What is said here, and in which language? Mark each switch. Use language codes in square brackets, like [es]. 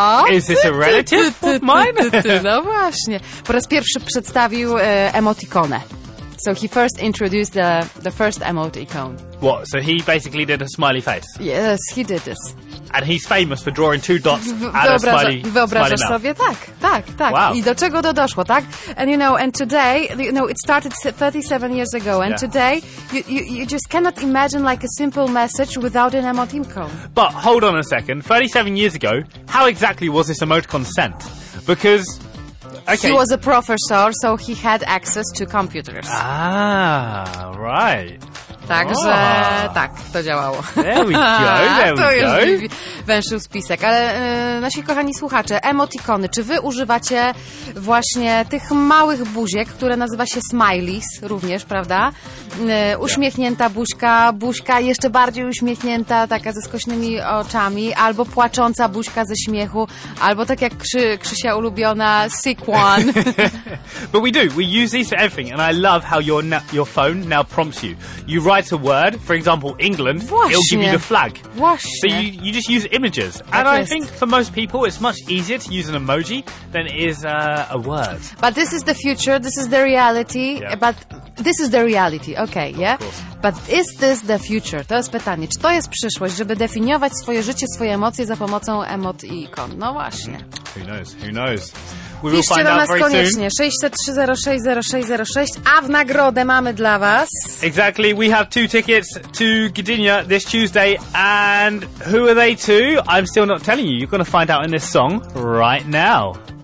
[en] Is this a relative of mine? [pl] No właśnie. Po raz pierwszy przedstawił emotikonę. [en] So he first introduced the first emoticon. What? So he basically did a smiley face? Yes, he did this. And he's famous for drawing two dots and a smiley mouth. [pl] Wyobrażasz sobie? Tak. [en] Wow. [pl] I do czego to doszło, tak? [en] And you know, and today, you know, it started 37 years ago. And today, you just cannot imagine like a simple message without an emoticon. But hold on a second. 37 years ago, how exactly was this emoticon sent? Because... Okay. He was a professor, so he had access to computers. Ah, right. [pl] Także tak, to działało. [en] There we go. [pl] Węszył spisek. Ale nasi kochani słuchacze, emotikony, czy wy używacie właśnie tych małych buziek, które nazywa się smileys również, prawda? Uśmiechnięta buźka jeszcze bardziej uśmiechnięta, taka ze skośnymi oczami, albo płacząca buźka ze śmiechu, albo tak jak Krzysia ulubiona, [en] sick one. But we do, we use these for everything and I love how your phone now prompts you. You write a word, for example, England, [pl] właśnie, [en] it'll give you the flag. [pl] Właśnie. [en] So you just use images. [pl] Tak [en] and [pl] jest. [en] I think for most people it's much easier to use an emoji than it is a word. But this is the future, this is the reality, but this is the reality, okay, of yeah? Course. But is this the future? [pl] To jest pytanie. Czy to jest przyszłość, żeby definiować swoje życie, swoje emocje za pomocą emot i ikon? No właśnie. [en] Who knows? [pl] Piszcie do nas koniecznie, 603-06-06-06, a w nagrodę mamy dla was... [en] Exactly, we have two tickets to Gdynia this Tuesday, and who are they to? I'm still not telling you, you're going to find out in this song right now.